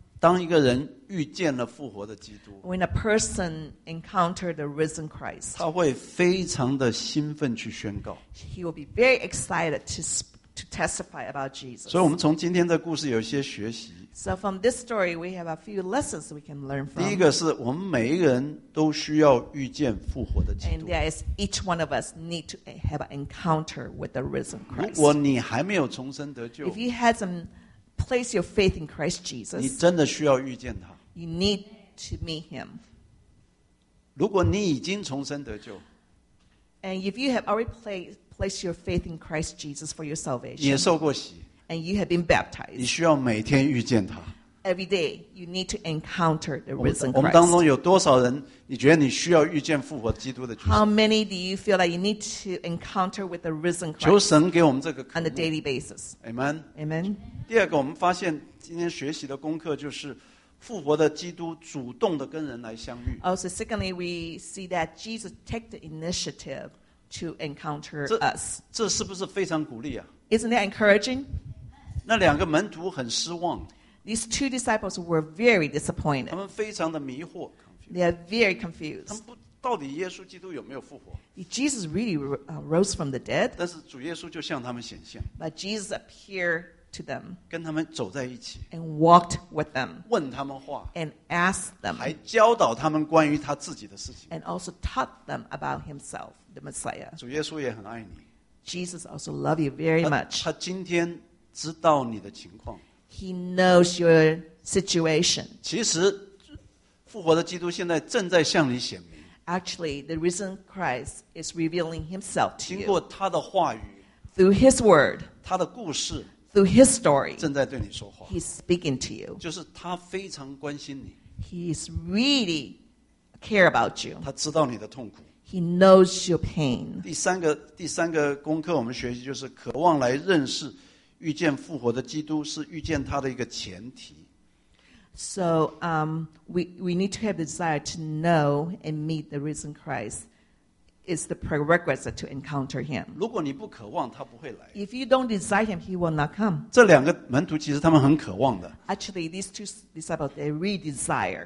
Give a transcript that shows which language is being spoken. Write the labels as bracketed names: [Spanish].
[Chinese] 当一个人遇见了复活的基督 [English] When a person encountered the risen Christ [Chinese] 他会非常的兴奋去宣告 [English] He will be very excited to testify about Jesus [Chinese] 所以我们从今天的故事有一些学习 [English] So from this story we have a few lessons we can learn from [Chinese] 第一个是我们每一个人都需要遇见复活的基督 [English] And that is each one of us need to have an encounter with the risen Christ [Chinese] 如果你还没有重生得救 [English] If you had someplace your faith in Christ Jesus. [Chinese] 你真的需要遇见他。 [English] You need to meet him. [Chinese] 如果你已经重生得救 [English] And if you have already placed your faith in Christ Jesus for your salvation. [Chinese] 你也受过洗。 [English] And you have been baptized. [Chinese] 你需要每天遇见他。 [English] Every day, you need to encounter the risen Christ. [Chinese] 我们当中有多少人你觉得你需要遇见复活基督的 [English] How many do you feel that you need to encounter with the risen Christ? [Chinese] 求神给我们这个 [English] On a daily basis. Amen. Amen. [Chinese] 第二个我们发现今天学习的功课就是复活的基督主动的跟人来相遇 [English] Also secondly we see that Jesus take the initiative to encounter us [Chinese] 这是不是非常鼓励啊 [English] Isn't that encouraging? [Chinese] 那两个门徒很失望 [English] These two disciples were very disappointed [Chinese] 他们非常的迷惑 [English] They are very confused [Chinese] 他们不到底耶稣基督有没有复活 [English] Did Jesus really rose from the dead? [Chinese] 但是主耶稣就向他们显现 [English] But Jesus appeared to them [Chinese] 跟他们走在一起 [English] and walked with them [Chinese] 问他们话 [English] and asked them [Chinese] 还教导他们关于他自己的事情 [English] and also taught them about himself the Messiah [Chinese] 主耶稣也很爱你 [English] Jesus also loves you very much [Chinese] 他今天知道你的情况 [English] He knows your situation [Chinese] 其实复活的基督现在正在向你显明 [English] Actually the risen Christ is revealing himself to you [Chinese] 经过他的话语 [English] through his word [Chinese] 他的故事 [English] Through his story, [Chinese] 正在对你说话 [English] he's speaking to you. [Chinese] 就是他非常关心你 [English] He is really care about you. [Chinese] 他知道你的痛苦。 [English] He knows your pain. [Chinese] 第三个功课我们学习就是渴望来认识遇见复活的基督是遇见他的一个前提。 [English] So, we need to have the desire to know and meet the risen Christ. It's the prerequisite to encounter him. [Chinese] 如果你不渴望，他不会来。 [English] If you don't desire him, he will not come. [Chinese] 这两个门徒其实他们很渴望的。 [English] Actually, these two disciples, they really desire.